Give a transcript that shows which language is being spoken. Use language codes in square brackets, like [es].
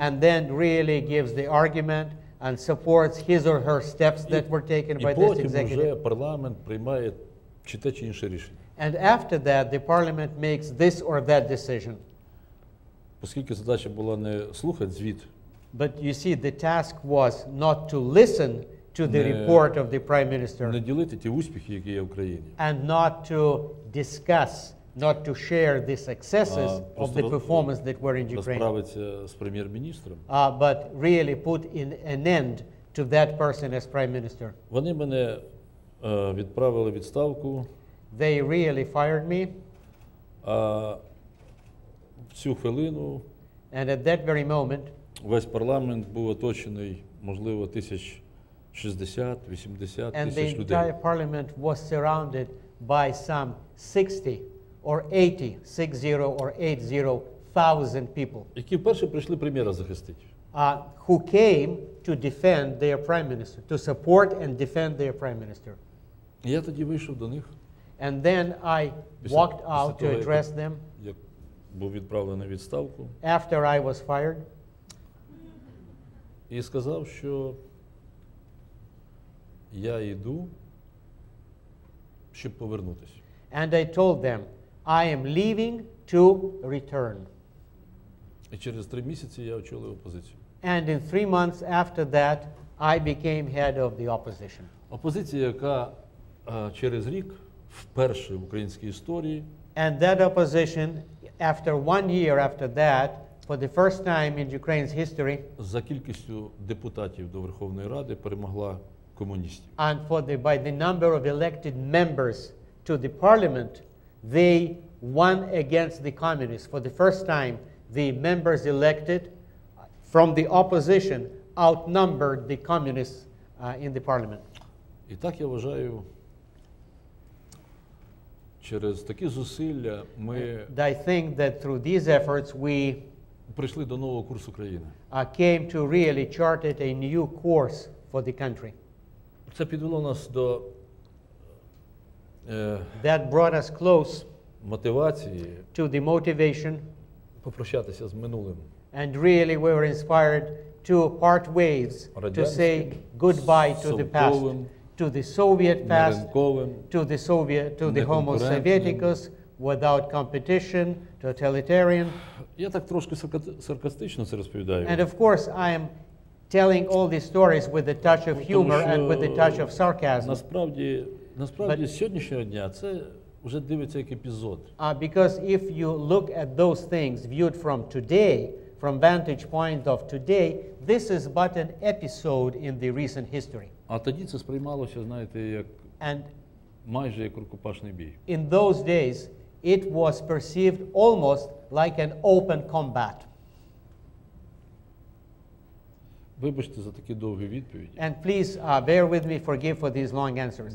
[en] And then really gives the argument and supports his or her steps that were taken by this executive. [uk] І потім вже парламент приймає чи те, чи інше рішення. [en] And after that, the parliament makes this or that decision. [uk] Оскільки задача була не слухати звіт. [en] But you see, the task was not to listen to the report of the prime minister. [uk] Не ділити ті успіхи, які є в Україні. [en] And not to discuss, not to share the successes of the performance that were in Ukraine. [uk] Розправитися з прем'єр-міністром. [en] But really put in an end to that person as prime minister. [uk] Вони мене відправили відставку. [en] They really fired me. [uk] В цю хвилину. [en] And at that very moment. [uk] Весь парламент був оточений, можливо, 60-80 [en] and [uk] людей. [en] And the entire parliament was surrounded by some 60 or 80, 60 or 80 thousand people. [uk] Які вперше прийшли прем'єра захистити. [en] Who came to defend their prime minister, to support and defend their prime minister. [uk] Я тоді вийшов до них. [en] And then I walked out to address them. [uk] Я був відправлений на відставку. [en] After I was fired. [uk] І сказав, що я йду, щоб повернутися. [en] And I told them, I am leaving to return. [uk] І через 3 місяці я очолив опозицію. [en] And in 3 months after that, I became head of the opposition. [uk] Опозиція, яка через рік вперше в українській історії. [en] And that opposition, after 1 year after that, for the first time in Ukraine's history, [uk] за кількістю депутатів до Верховної Ради перемогла комуністів. [en] And for the by the number of elected members to the parliament, they won against the communists. For the first time, the members elected from the opposition outnumbered the communists in the parliament. [uk] І так я вважаю, через такі зусилля ми [en] I think that through these efforts we [uk] прийшли до нового курсу країни. [en] I came to really chart a new course for the country. [uk] Це підвело нас до [en] that brought us close [uk] мотивації [en] to the motivation [uk] попрощатися з минулим. [en] And really we were inspired to part ways, to say goodbye to the past, to the Soviet past, to the Soviet, to the Homo Sovieticus, without competition, totalitarian. [uk] Я так трошки саркастично це розповідаю. [en] And of course I am telling all these stories with a touch of humor and with a touch of sarcasm. [uk] Насправді з сьогоднішнього дня це вже дивиться як епізод. [en] Because if you look at those things viewed from today, from vantage point of today, this is but an episode in the recent history. [uk] А тоді це сприймалося, знаєте, як майже як рукопашний бій. [en] In those days it was perceived almost like an open combat. [uk] Вибачте за такі довгі відповіді. [en] And please bear with me, forgive for these long answers.